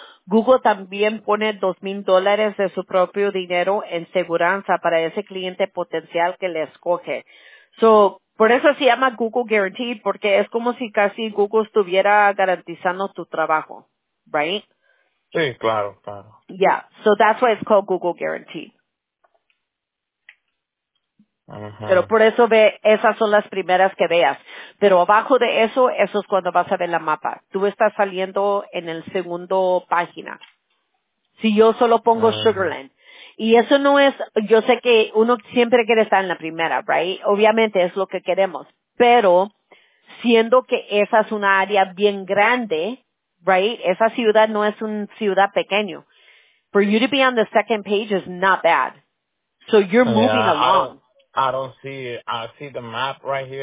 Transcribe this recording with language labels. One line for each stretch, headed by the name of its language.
Spanish: Google también pone $2,000 de su propio dinero en seguridad para ese cliente potencial que le escoge. So, por eso se llama Google Guarantee, porque es como si casi Google estuviera garantizando tu trabajo, right? Sí, claro, claro.
English: Yeah, so that's why it's called Google Guarantee.
Spanish: Pero por eso ve, esas son las primeras que veas. Pero abajo de eso es cuando vas a ver la mapa. Tú estás saliendo en el segundo página. Si yo solo pongo Sugarland. Y eso no es, yo sé que uno siempre quiere estar en la primera, right? Obviamente es lo que queremos. Pero siendo que esa es una área bien grande, right? Esa ciudad no es una ciudad pequeña.
English: For you to be on the second page is not bad. So you're moving along. I don't see it. I see the map right here.